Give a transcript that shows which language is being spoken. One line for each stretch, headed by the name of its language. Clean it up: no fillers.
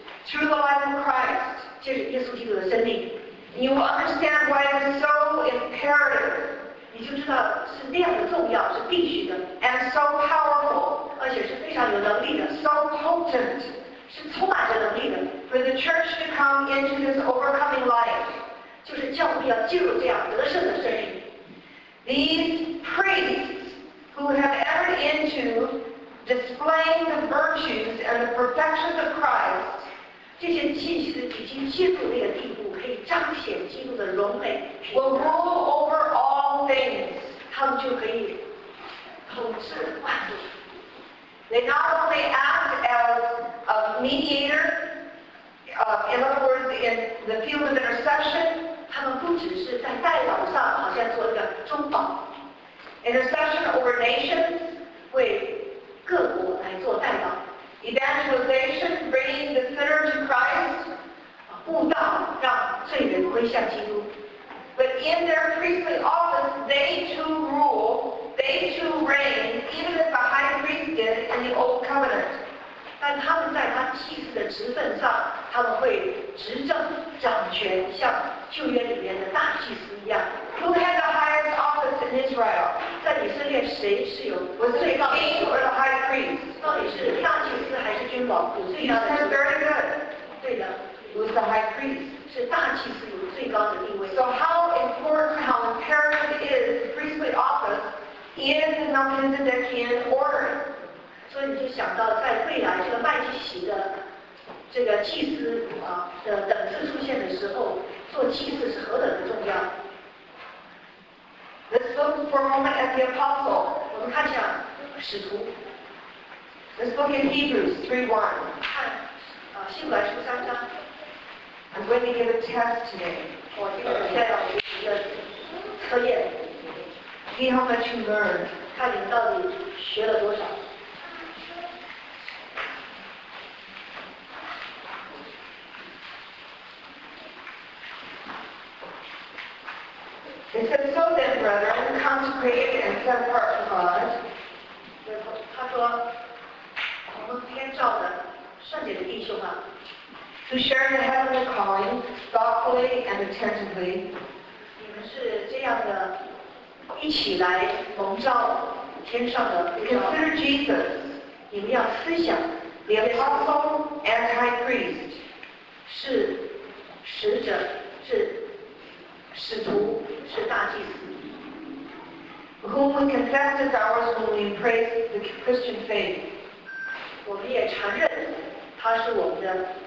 English: Through the life of Christ.
Chinese: 就是耶稣基督的生命。
English: You will understand why it is so imperative.
Chinese: 你就知道是那样的重要，是必须的。
English: And so powerful.
Chinese: 而且是非常有能力的。
English: So potent.
Chinese: 是充满着能力的。
English: For the church to come into this overcoming life.
Chinese: 就是教会要进入这样得胜的生命。
English: These priests who have entered into displaying the virtues and the perfections of Christ.
Chinese: 这些祭司已经进入那个地步。可以彰显基督的荣美。
English: Will rule over all things.
Chinese: 他们就可以统治万物。
English: They not only act as a mediator, in other words, in the field of intercession.
Chinese: 他们不只是在代祷上好像做一个中保。
English: Intercession over nations.
Chinese: 为各国来做代祷。
English: Evangelization, bringing the sinner to Christ.
Chinese: 布道让罪人归向基督。
English: But in their priestly office, they too rule, they too reign, even as the high priest did in the old covenant.
Chinese: 但他们在他祭司的职分上，他们会执政掌权，像旧约里面的大祭司一样。
English: Who had the highest office in Israel?
Chinese: 在以色列谁是有？
English: Was it the king or the high priest?
Chinese: 到底是大祭司还是君王？有这样的。
English: That's very good.
Chinese: 对的。
English: Was the high priest.
Chinese: 是大祭司有最高的地位。
English: So how important, how imperative is the priestly office in the Melchizedekian order?
Chinese: 所以你就想到在未来这个麦基洗的这个祭司啊的等次出现的时候，做祭司是何等的重要。
English: Let's look for a moment at the apostle.
Chinese: 我们看一下使徒。
English: Let's look in Hebrews 3:1.
Chinese: 看啊，希伯来书三章。
English: I'm going to give a test today.
Chinese: 我今天要做一个测验。
English: See how much you learned.
Chinese: 看你到底学了多少。
English: It says, so then, brethren, consecrated and set apart for God.
Chinese: 他说，我们天照的圣洁的弟兄啊。
English: To share the heavenly calling thoughtfully and attentively.
Chinese: 你们是这样的，一起来蒙召天上的。
English: Consider Jesus.
Chinese: 你们要思想。
English: The apostle and high priest.
Chinese: 是使者，是使徒，是大祭司。
English: Whom we confess as ours when we praise the Christian faith.
Chinese: 我们也承认他是我们的。